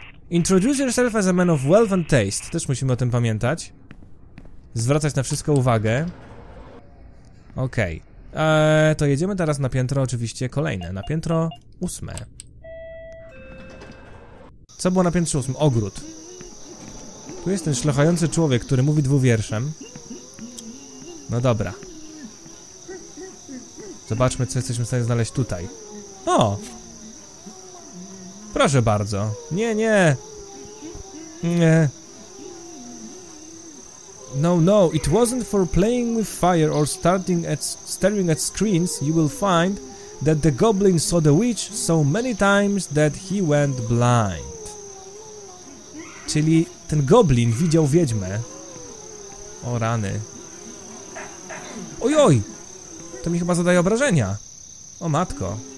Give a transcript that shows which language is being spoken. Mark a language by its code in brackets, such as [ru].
[en] Introduce yourself as a man of wealth and taste. [pl] Też musimy o tym pamiętać. Zwracać na wszystko uwagę. Okej. Okay. To jedziemy teraz na piętro oczywiście kolejne. Na piętro 8. Co było na piętrze 8? Ogród. Tu jest ten szlochający człowiek, który mówi dwuwierszem. No dobra. Zobaczmy, co jesteśmy w stanie znaleźć tutaj. O! Proszę bardzo. Nie, nie! Nie. [en] No, no, it wasn't for playing with fire or staring at screens you will find that the goblin saw the witch so many times that he went blind. [pl] Czyli ten goblin widział wiedźmę. O, rany. Oj, oj! To mi chyba zadaje obrażenia. O matko.